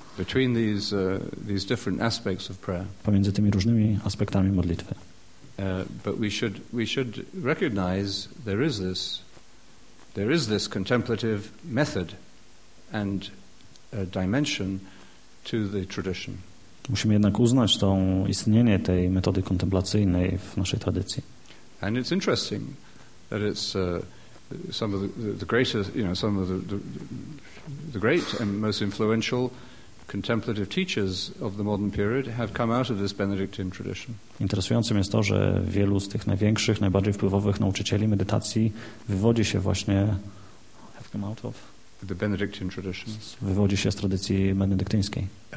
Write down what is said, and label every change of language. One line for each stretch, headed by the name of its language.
English: between these different aspects of prayer.
Polish: Pomiędzy tymi różnymi aspektami modlitwy.
English: But we should recognize there is this contemplative method and dimension to the tradition.
Polish: Musimy jednak uznać to istnienie tej metody kontemplacyjnej w naszej tradycji.
English: And it's interesting that it's some of the greatest, you know, some of the great and most influential contemplative teachers of the modern period have come out of this Benedictine tradition.
Polish: Interesującym jest to, że wielu z tych największych, najbardziej wpływowych nauczycieli medytacji wywodzi się właśnie
English: the Benedictine traditions.
Polish: Wywodzi się z tradycji benedyktyńskiej.